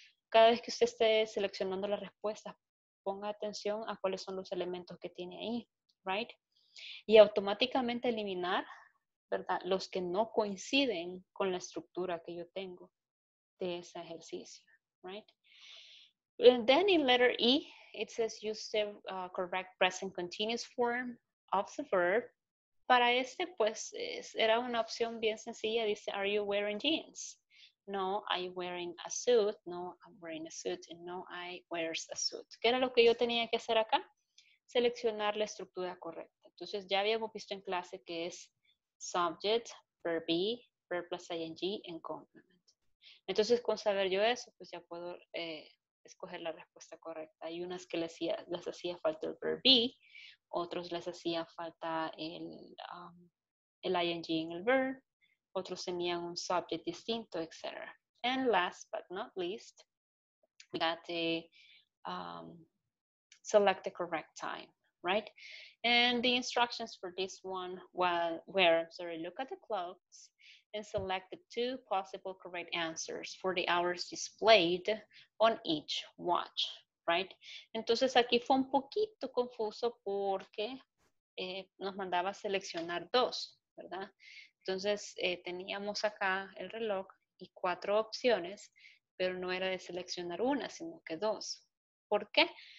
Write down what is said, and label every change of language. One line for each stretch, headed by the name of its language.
Spanish: Cada vez que usted esté seleccionando las respuestas, ponga atención a cuáles son los elementos que tiene ahí, right? Y automáticamente eliminar, ¿verdad? Los que no coinciden con la estructura que yo tengo de ese ejercicio, right?
English: And then in letter E, it says use the correct present continuous form of the verb.
Spanish: Para este, pues, era una opción bien sencilla. Dice,
English: are you wearing jeans? No, I'm wearing a suit. No, I'm wearing a suit. And no, I wears a suit.
Spanish: ¿Qué era lo que yo tenía que hacer acá? Seleccionar la estructura correcta. Entonces, ya habíamos visto en clase que es
English: subject, verb be, verb plus ing, and complement.
Spanish: Entonces, con saber yo eso, pues ya puedo escoger la respuesta correcta. Hay unas que les hacía falta el verb be, otros les hacía falta el ing en el verb, otros tenían un subject distinto, etc.
English: And last but not least, we got to select the correct time, right? And the instructions for this one were, look at the clocks and select the two possible correct answers for the hours displayed on each watch, right?
Spanish: Entonces aquí fue un poquito confuso porque nos mandaba seleccionar dos, ¿verdad? Entonces teníamos acá el reloj y cuatro opciones, pero no era de seleccionar una, sino que dos. ¿Por qué?